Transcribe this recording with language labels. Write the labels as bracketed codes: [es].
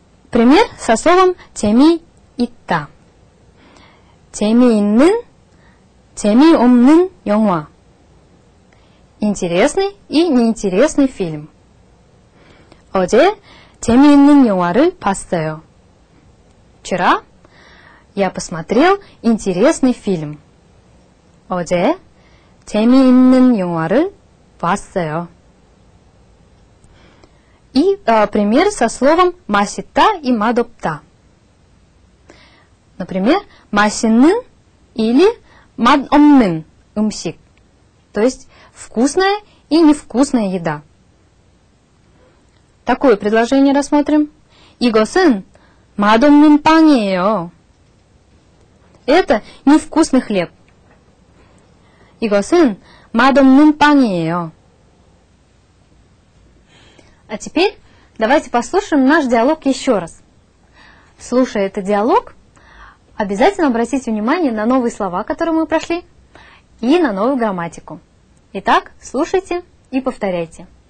[ru] Пример со словом «теми итта». «Теми иннын», «теми омнын йонгва». Интересный и неинтересный фильм. «Оде теми иннын йонгварыль пастэйо». «Вчера». Я посмотрел интересный фильм. [ko] 어제 재미있는 영화를 봤어요. [ru] И пример со словом 맛있다 и 맛없다. [ko] Например, 맛있는 или 맛없는 음식. [ru] То есть вкусная и невкусная еда. Такое предложение рассмотрим. [ko] 이것은 맛없는 빵이에요. [ru] Это невкусный хлеб. [ko] 이것은 맛없는 빵이에요. [ru] А теперь давайте послушаем наш диалог еще раз. Слушая этот диалог, обязательно обратите внимание на новые слова, которые мы прошли, и на новую грамматику. Итак, слушайте и повторяйте.